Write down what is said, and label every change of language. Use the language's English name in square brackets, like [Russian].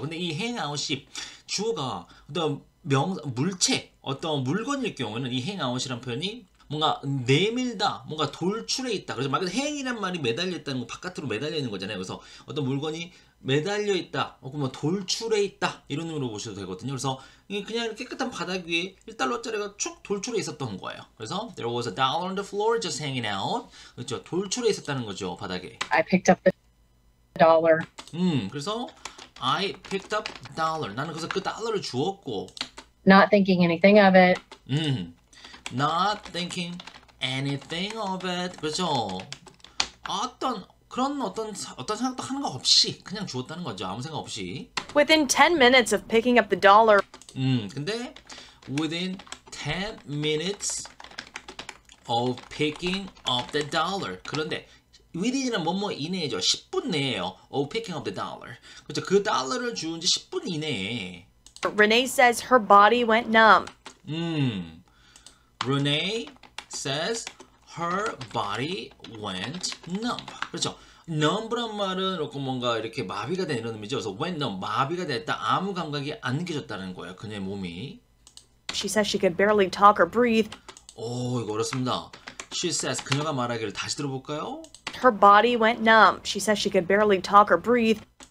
[Korean] 근데 이 hang out이 주어가 어떤 물체, 어떤 물건일 경우에는 이 hang out이란 표현이 뭔가 내밀다, 뭔가 돌출해 있다. 그래서 막 행이란 말이 매달려 있다는 거, 바깥으로 매달려 있는 거잖아요. 그래서 어떤 물건이 매달려 있다, 혹은 뭐 돌출해 있다 이런 의미로 보셔도 되거든요. 그래서 그냥 깨끗한 바닥 위에 1달러짜리가 쭉 돌출해 있었던 거예요. 그래서 [English] there was a dollar on the floor just hanging out. [Korean] 그렇죠, 돌출해 있었다는 거죠, 바닥에. [English] I picked up the dollar. [Korean] 그래서 [English] I picked up dollar. [Korean] 나는 그래서 그 달러를 주었고. [English] Not thinking anything of it. Not thinking anything of it. [Korean] 그렇죠. 어떤 생각도 하는 거 없이 그냥 주었다는 거죠. 아무 생각 없이. [English] Within 10 minutes of picking up the dollar. [Korean] 근데 [English] within 10 minutes of picking up the dollar. [Korean] 그런데 within은 뭐뭐 이내죠. 10분 내에요. [English] Of picking up the dollar. [Korean] 그렇죠. 그 달러를 주운 지 10분 이내에. [English] Renee says her body went numb. Renee says her body went numb. [Korean] 그렇죠. numb란 말은 조금 뭔가 이렇게 마비가 된 이런 의미죠. 그래서 [English] went numb, [Korean] 마비가 됐다. 아무 감각이 안 느껴졌다는 거예요. 그녀의 몸이. [English] She says she could barely talk or breathe. [Korean] 이거 어렵습니다. [English] She says [Korean] 그녀가 말하기를 다시 들어볼까요? [English] Her body went numb. She says she could barely talk or breathe.